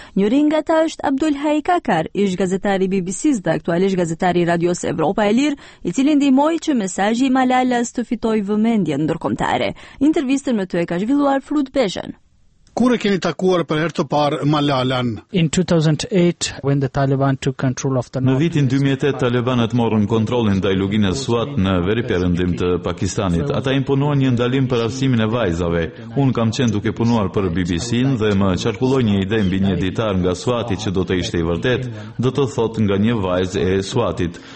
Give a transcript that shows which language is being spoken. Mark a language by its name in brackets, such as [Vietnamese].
[Albanian] Njëri nga ta është Abdul Hai Kakar, ish gazetari BBC-s dhe aktualisht gazetari Radios Evropa e Lirë, i cili ndihmoi që mesazhi i Malalas të fitoj vëmendje ndërkombëtare. Intervistën me të e ka zhvilluar Frut Beshën. Kur e keni takuar për herë të parë Malalan? [English] In 2008 when the Taliban took control of the north. [Albanian] Në vitin 2008 talibanët morën kontrollin ndaj luginës Swat në veri perëndim të Pakistanit. Ata imponuan një ndalim për arsimin e vajzave. Un kam qenë duke punuar për BBC-n dhe më qarkulloi një ide mbi një ditar nga Swati që do të ishte i vërtet, do të thotë nga një vajzë e Swatit.